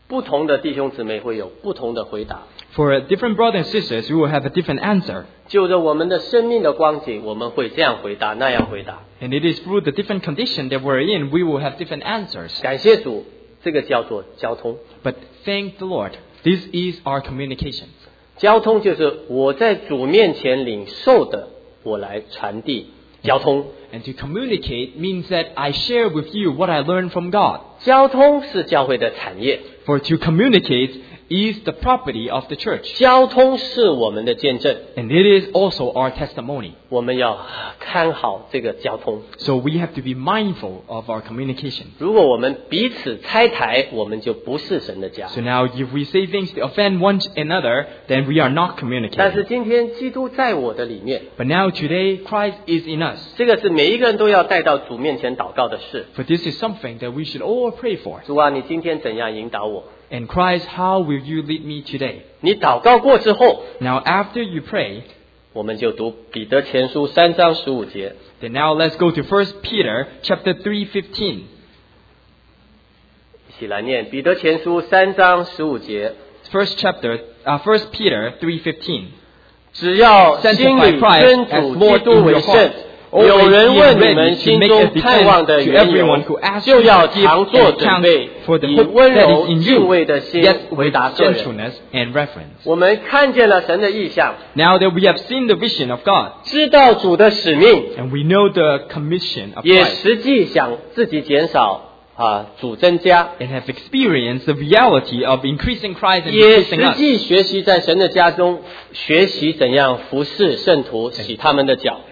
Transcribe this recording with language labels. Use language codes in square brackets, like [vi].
[zh] 我们不同的弟兄姊妹会有不同的回答。 [en] For different brothers and sisters, we will have a different answer. [zh] 就着我们的生命的光景, 我们会这样回答, 那样回答。 [en] And it is through the different condition that we're in, we will have different answers. [zh] 感谢主, 这个叫做交通。 [en] But thank the Lord, this is our communication. [zh] 交通就是我在主面前领受的,我来传递。交通, [en] and to communicate means that I share with you what I learned from God. [zh] 交通是教会的产业, [en] for to communicate is the property of the church. [zh] 交通是我们的见证, [en] and it is also our testimony. [zh] 我们要看好这个交通, [en] so we have to be mindful of our communication. [zh] 如果我们彼此拆台, 我们就不是神的家。 [en] So now if we say things to offend one another, then we are not communicating. [zh] 但是今天基督在我的里面, [en] but now today Christ is in us. [zh] 这个是每一个人都要带到主面前祷告的事。 [en] For this is something that we should all pray for. [zh] 主啊, 你今天怎样引导我? [en] And Christ, how will you lead me today? [zh] 你祷告过之后, [en] now after you pray, [zh] 我们就读彼得前书3章15节。 [en] Then now let's go to 1 Peter chapter 3:15. [zh] 一起来念彼得前书3章15节。 [en] First chapter, 1 Peter 3:15. [zh] 只要心里尊主基督为圣, [en] always be ready to make a defense to everyone who asks you to give an account for the hope that is in you, yet with gentleness and reverence. Now that we have seen the vision of God, and we know the commission of Christ, and have experienced the reality of increasing Christ and increasing us.